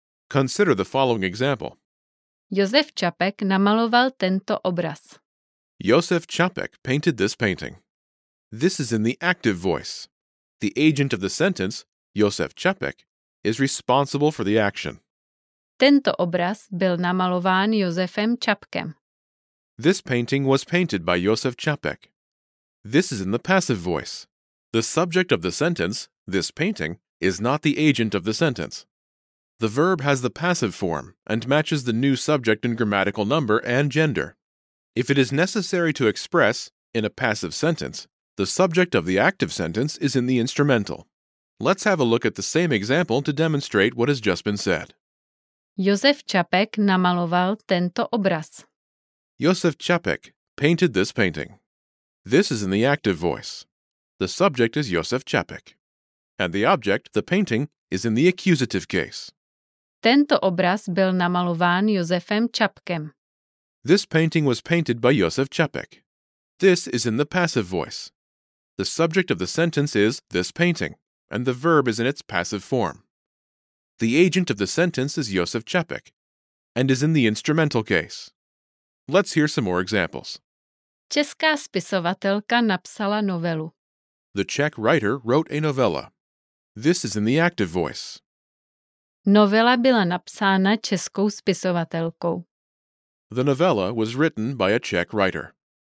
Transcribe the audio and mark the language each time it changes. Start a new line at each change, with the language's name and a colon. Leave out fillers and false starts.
English: Consider the following example.
Czech: Josef Čapek namaloval tento obraz.
English: Josef Čapek painted this painting. This is in the active voice. The agent of the sentence, Josef Čapek, is responsible for the action.
Czech: Tento obraz byl namalován Josefem Čapkem.
English: This painting was painted by Josef Čapek. This is in the passive voice. The subject of the sentence, this painting, is not the agent of the sentence. The verb has the passive form and matches the new subject in grammatical number and gender. If it is necessary to express, in a passive sentence, the subject of the active sentence is in the instrumental. Let's have a look at the same example to demonstrate what has just been said.
Czech: Josef Čapek namaloval tento obraz.
English: Josef Čapek painted this painting. This is in the active voice. The subject is Josef Čapek. And the object, the painting, is in the accusative case.
Czech: Tento obraz byl namalován Josefem Čapkem.
English: This painting was painted by Josef Čapek. This is in the passive voice. The subject of the sentence is this painting, and the verb is in its passive form. The agent of the sentence is Josef Čapek, and is in the instrumental case. Let's hear some more examples.
Czech: Česká spisovatelka napsala novelu.
English: The Czech writer wrote a novella. This is in the active voice.
Czech: Novela byla napsána českou spisovatelkou.
English: The novella was written by a Czech writer.